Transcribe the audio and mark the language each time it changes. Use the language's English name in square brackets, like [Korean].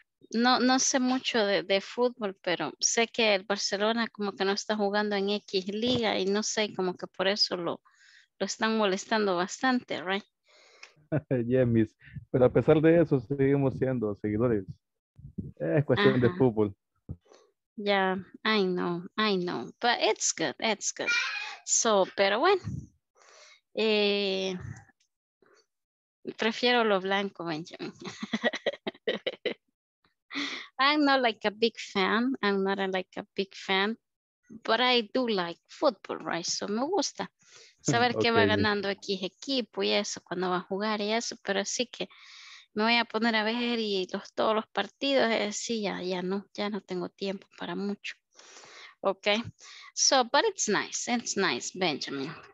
[Spanish] No, no sé mucho de fútbol, pero sé que el Barcelona como que no está jugando en X Liga y no sé, como que por eso lo están molestando bastante, right? [English] Yes, mis. [Spanish] Pero a pesar de eso, seguimos siendo seguidores. Es cuestión de fútbol. [English] Yeah, I know, but it's good, it's good. So, [Spanish] pero bueno. Prefiero lo blanco, Benjamin. [English] I'm not like a big fan, but I do like football, right? [Spanish] So me gusta saber okay. Que va ganando aquí equipo y eso, cuando va a jugar y eso, pero así que me voy a poner a ver y todos los partidos, sí, ya no tengo tiempo para mucho. [English] Okay, so, but it's nice, Benjamin.